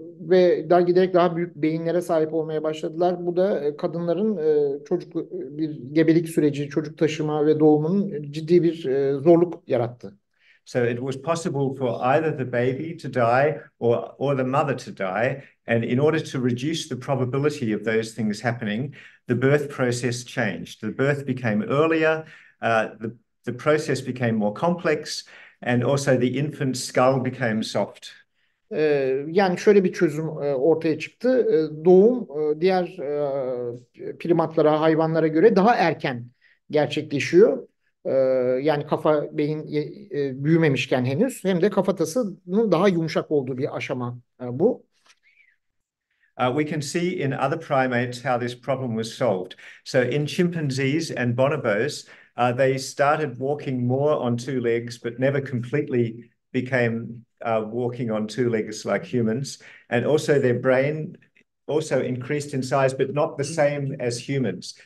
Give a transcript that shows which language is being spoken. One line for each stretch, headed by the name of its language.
Turkish: ve daha giderek daha büyük beyinlere sahip olmaya başladılar. Bu da kadınların çocuk bir gebelik süreci, çocuk taşıma ve doğumunun ciddi bir zorluk yarattı.
English: So it was possible for either the baby to die or the mother to die. And in order to reduce the probability of those things happening, the birth process changed. The birth became earlier, the process became more complex, and also the infant's skull became soft.
Turkish: Yani şöyle bir çözüm ortaya çıktı. Doğum diğer primatlara, hayvanlara göre daha erken gerçekleşiyor. Yani kafa, beyin büyümemişken henüz, hem de kafatasının daha yumuşak olduğu bir aşama bu.
English: We can see in other primates how this problem was solved. So in chimpanzees and bonobos, they started walking more on two legs, but never completely became walking on two legs like humans. And also their brain also increased in size, but not the same as humans.